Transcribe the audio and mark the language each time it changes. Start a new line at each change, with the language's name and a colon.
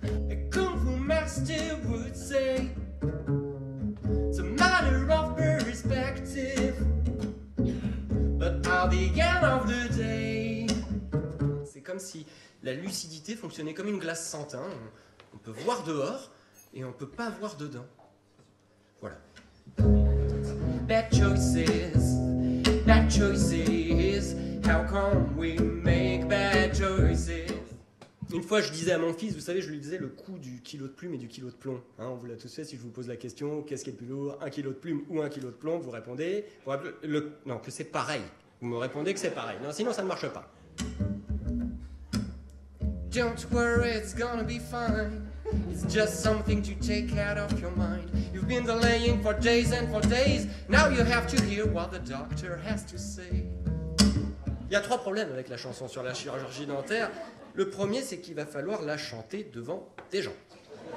French: Et comme vous
English: master would say, it's a matter of perspective, but at the end of the day...
French: C'est comme si la lucidité fonctionnait comme une glace sans teint. On peut voir dehors et on peut pas voir dedans. Voilà.
English: Bad choices, bad choices, how come we make bad choices?
French: Une fois je disais à mon fils, vous savez, je lui disais le coût du kilo de plume et du kilo de plomb. Hein, on vous l'a tous fait, si je vous pose la question, qu'est-ce qui est le plus lourd, un kilo de plume ou un kilo de plomb, vous répondez, que c'est pareil. Vous me répondez que c'est pareil, non, sinon ça ne marche pas.
English: Don't worry, it's gonna be fine. It's just something to take out of your mind. You've been delaying for days and for days. Now you have to hear what the doctor has to say.
French: Il y a trois problèmes avec la chanson sur la chirurgie dentaire. Le premier, c'est qu'il va falloir la chanter devant des gens.